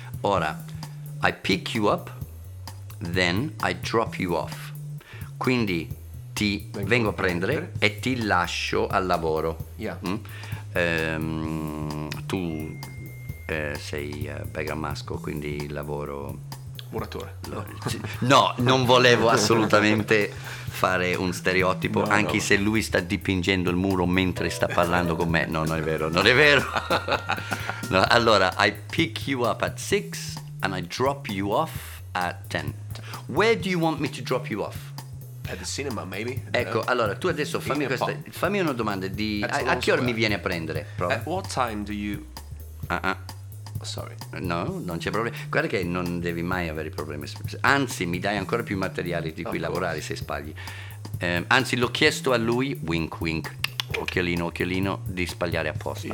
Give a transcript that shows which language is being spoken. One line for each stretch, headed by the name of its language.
Italian: Ora,
English: I pick you up, then I drop you off.
Italian: Quindi ti vengo a prendere e ti lascio al lavoro.
English: Yeah.
Italian: Tu sei bergamasco, quindi lavoro. Muratore. No, non volevo assolutamente fare un stereotipo, no. Se lui sta dipingendo il muro mentre sta parlando con me. No, non è vero, non è vero. No, allora,
English: I pick you up at 6 and I drop you off at 10. Where do you want me to drop you off? At the cinema, maybe.
Italian: Ecco,
English: know.
Italian: Allora, tu adesso fammi questa, fammi una domanda di a che ora mi vieni a prendere? Prova.
English: At what time do you... Sorry.
Italian: No, non c'è problema. Guarda che non devi mai avere problemi. Anzi, mi dai ancora più materiali di cui lavorare se sbagli. Anzi, l'ho chiesto a lui,
English: wink wink,
Italian: occhialino occhialino, di sbagliare apposta.